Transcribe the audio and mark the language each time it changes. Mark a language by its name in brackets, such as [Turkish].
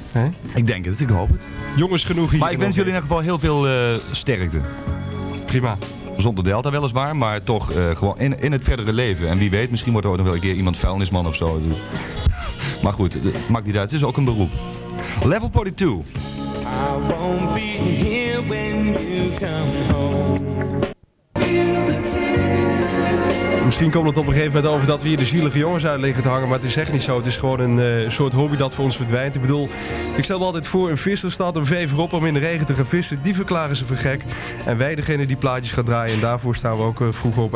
[Dutch] He? Ik denk het, ik hoop het. Jongens, genoeg hier. Maar ik wens jullie in ieder geval heel veel sterkte. Prima. Zonder Delta weliswaar, maar toch gewoon in het verdere leven. En wie weet, misschien wordt er ook nog wel een keer iemand vuilnisman of zo. Dus. Maar goed, maakt niet uit. Het is ook een beroep. Level 42. [English] I won't be here when you come home. [Dutch] Misschien komt het op een gegeven moment over dat we hier de zielige jongens uit liggen te hangen, maar het is echt niet zo. Het is gewoon een soort hobby dat voor ons verdwijnt. Ik bedoel, ik stel me altijd voor, een visser staat een vever op om in de regen te gaan vissen. Die verklaren ze voor gek. En wij degene die plaatjes gaan draaien, en daarvoor staan we ook vroeg op.